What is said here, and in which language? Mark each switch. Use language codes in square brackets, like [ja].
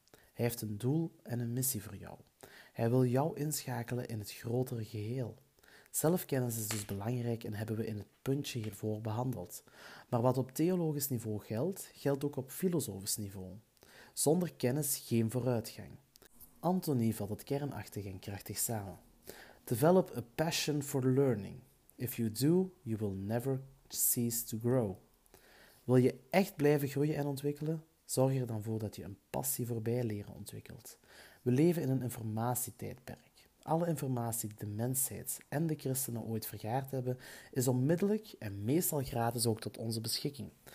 [nl] Hij heeft een doel en een missie voor jou. Hij wil jou inschakelen in het grotere geheel. Zelfkennis is dus belangrijk en hebben we in het puntje hiervoor behandeld. Maar wat op theologisch niveau geldt, geldt ook op filosofisch niveau. Zonder kennis geen vooruitgang. Anthony vat het kernachtig en krachtig samen. [en] Develop a passion for learning. If you do, you will never cease to grow. [nl] Wil je echt blijven groeien en ontwikkelen? Zorg er dan voor dat je een passie voor bijleren ontwikkelt. We leven in een informatietijdperk. Alle informatie die de mensheid en de christenen ooit vergaard hebben, is onmiddellijk en meestal gratis ook tot onze beschikking.